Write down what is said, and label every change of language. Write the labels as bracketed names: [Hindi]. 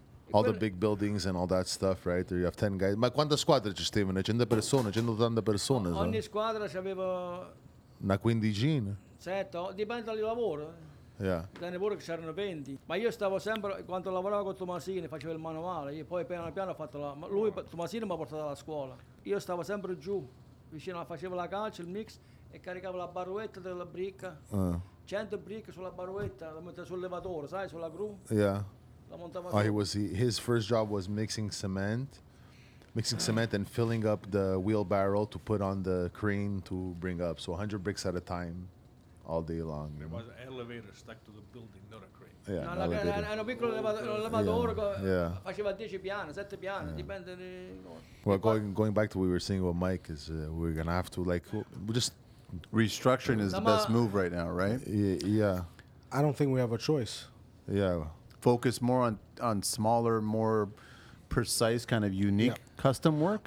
[English] All the big buildings and all that stuff, right? There you have 10 guys. [Italian] Ma quante squadre ci stavano? 100 persone, 180 persone. Ogni squadra c'aveva una quindicina. 7, dipende dal lavoro. [English] Yeah. [Italian] Pure che c'erano 20. Ma io stavo sempre quando lavoravo con Tomasini, facevo il manovale, io poi piano piano ho fatto la. Lui Tomasini mi ha portato alla scuola. Io stavo sempre giù, vicino, facevo la calcia, il mix e caricavo la barruetta della bricca. 100 bricche sulla barruetta, la mettevo sul levatore, sai, sulla gru. [English] Yeah. [Italian] La montava. [English] Oh, his first job was mixing cement and filling up the wheelbarrow to put on the crane to bring up. So 100 bricks at a time. All day long. There was an elevator stuck to the building, not a crane. Yeah, no, an elevator. [Italian] Era un piccolo elevatore. [English] Yeah. [Italian] Faceva 10 piani, 7 piani, dipende. [English] Well, going back to what we were saying with Mike, is we're going to have to, like, just restructuring is the best move right now, right? Yeah. I don't think we have a choice. Yeah. focus more on smaller, more precise, kind of unique custom work?